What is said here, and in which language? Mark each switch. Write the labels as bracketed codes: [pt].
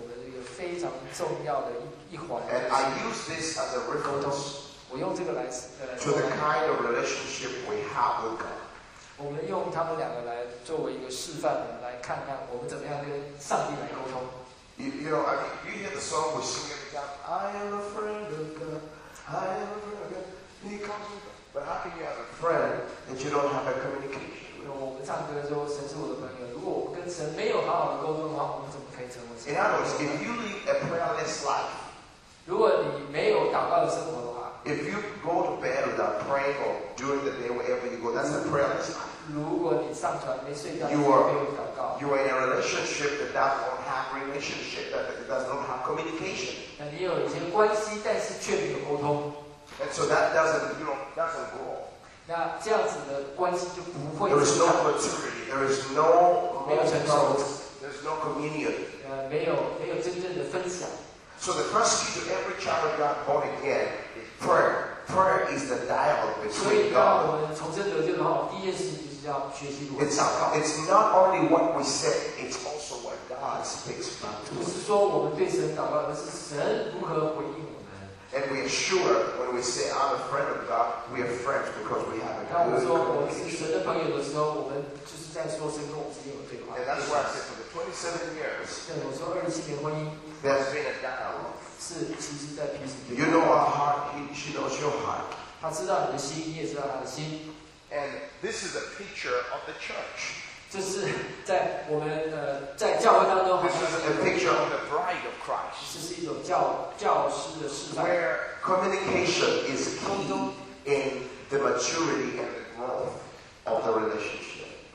[zh] 在我们有很好的关系当中，我们这个非常重要的一环。 [en] And I use this as a reference. [zh] 我用这个来 [en] to the kind of relationship we have with God. [zh] 我们用他们两个来作为一个示范，来看看我们怎么样跟上帝来沟通。 [en] You hear the song we sing every time. I am a friend of God. I am a friend of God. He comes with us. But how can you have a friend that you don't have a communication? [zh] 我们唱歌的时候，神是我的朋友。如果我跟神没有好好的沟通的话，我们怎么可以成为神？ [en] In other words, if you lead a prayerless life, [zh] 如果你没有祷告的生活的话， [en] if you go to bed without praying or during the day wherever you go, that's a prayerless life. [zh] 如果你上床没睡觉，没有祷告。 [en] You are in a relationship that does not have relationship, that does not have communication. [zh] 那你有一些关系，但是却没有沟通。 [en] And so that doesn't go. [zh] 那这样子的关系就不会。 [en] There is no maturity. There is no growth. There is no communion. [zh] 没有真正的分享。 [en] So the first key to every child of God born again is prayer. Prayer is the dialogue between God. [zh] 所以当我们重生得救的话，第一件事情就是要学习如何。 [en] It's not only what we say, it's also what God speaks back to us. [zh] 不是说我们对神祷告，而是神如何回应我们。 [en] And we are sure when we say I'm a friend of God, we are friends because we have a good communication. [zh] 当我们说我们是神的朋友的时候，我们就是在说神跟我们之间有对话。 [en] And that's why I said for the 27 years. [zh] 对，我说27年婚姻。 [en] There's been a dialogue. [zh] 是，其实在平时。 [en] You know our heart. She knows your heart. [zh] 她知道你的心，你也知道她的心。 [en] And this is a picture of the church. [zh] 这是在我们在教会当中。 [en] This is a picture of the bride of Christ. [zh] 这是一种教师的示范。 [en] Where communication is key in the maturity and the growth of the relationship.